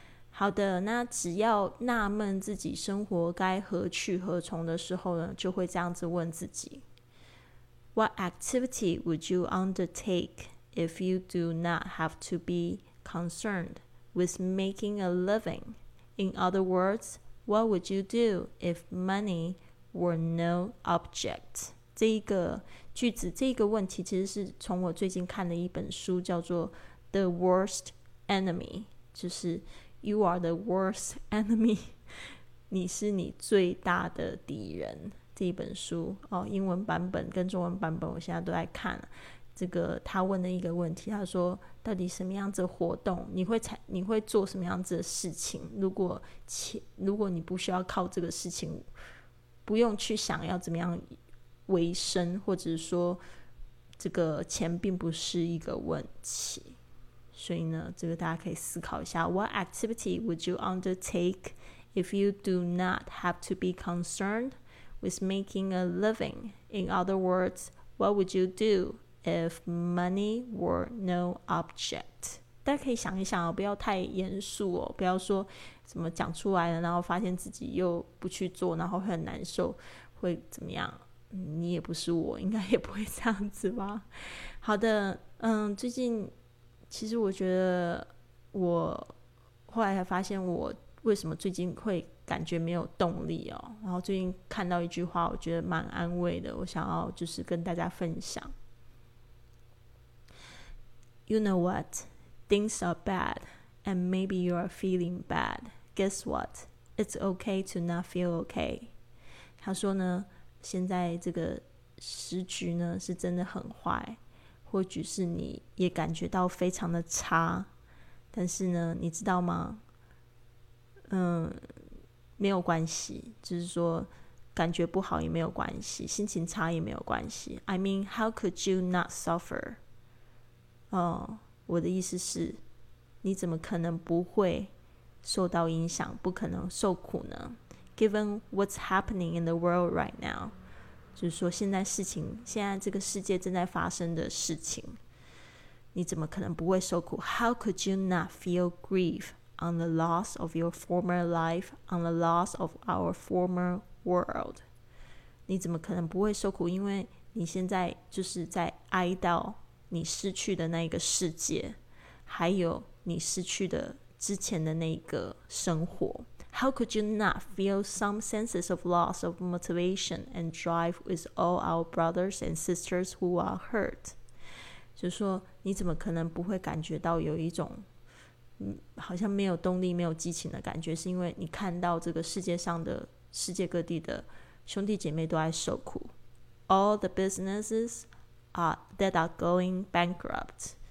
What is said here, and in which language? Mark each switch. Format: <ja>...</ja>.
<zh>好的，那只要纳闷自己生活该何去何从的时候呢，就会这样子问自己，</zh> <en>What activity would you undertake if you do not have to be concerned with making a living？ In other words, what would you do if money were no object?</en> <zh>这一个句子，这一个问题其实是从我最近看的一本书叫做 The Worst Enemy， 就是</zh> <en>You are the worst enemy，</en> <zh>你是你最大的敌人，这一本书英文版本跟中文版本我现在都在看。这个他问的一个问题，他说到底什么样子的活动你会做什么样子的事情，如果你不需要靠这个事情，不用去想要怎么样维生，或者说这个钱并不是一个问题。所以呢，这个大家可以思考一下，</zh> <en>What activity would you undertake if you do not have to be concerned with making a living? In other words, what would you doIf money were no object，</en> <zh>大家可以想一想不要太严肃不要说怎么讲出来了，然后发现自己又不去做，然后会很难受，会怎么样？你也不是我，应该也不会这样子吧。好的，最近其实我觉得我后来才发现我为什么最近会感觉没有动力然后最近看到一句话，我觉得蛮安慰的，我想要就是跟大家分享。</zh> <en>You know what? Things are bad, and maybe you are feeling bad. Guess what? It's okay to not feel okay.</en> <zh>他说呢，现在这个时局呢是真的很坏，或许是你也感觉到非常的差，但是呢，你知道吗？没有关系，就是说感觉不好也没有关系，心情差也没有关系。</zh> <en>I mean, how could you not suffer?</en> <zh>我的意思是你怎么可能不会受到影响，不可能受苦呢？</zh> <en>Given what's happening in the world right now，</en> <zh>就是说现在这个世界正在发生的事情，你怎么可能不会受苦？</zh> <en>How could you not feel grief on the loss of your former life, on the loss of our former world？</en> <zh>你怎么可能不会受苦？因为你现在就是在哀悼你失去的那个世界，还有你失去的之前的那个生活。</zh> <en>How could you not feel some senses of loss of motivation and drive with all our brothers and sisters who are hurt?</en> <zh>就说你怎么可能不会感觉到有一种好像没有动力没有激情的感觉，是因为你看到这个世界上的世界各地的兄弟姐妹都在受苦。</zh> <en>All the businesses that are going bankrupt.</en>